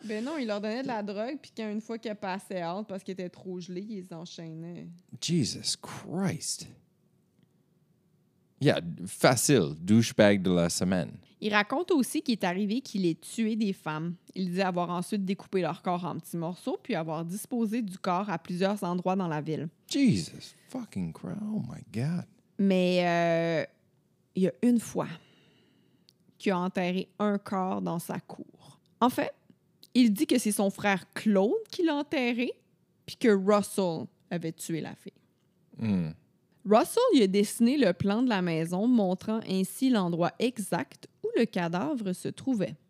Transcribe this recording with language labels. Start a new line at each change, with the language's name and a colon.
French: Ben non, ils leur donnaient de la drogue, puis qu'une fois qu'ils passaient hâte parce qu'ils étaient trop gelés, ils enchaînaient.
English: Jesus Christ! Yeah,
French: facile, douchebag de la semaine. Il raconte aussi qu'il est arrivé qu'il ait tué des femmes. Il dit avoir ensuite découpé leur corps en petits morceaux puis avoir disposé du corps à plusieurs endroits dans la ville.
English: Jesus fucking Christ, oh my God.
French: Mais il y a une fois qu'il a enterré un corps dans sa cour. En fait, il dit que c'est son frère Claude qui l'a enterré puis que Russell avait tué la fille. Mm. Russell lui a dessiné le plan de la maison montrant ainsi l'endroit exact où le cadavre se trouvait.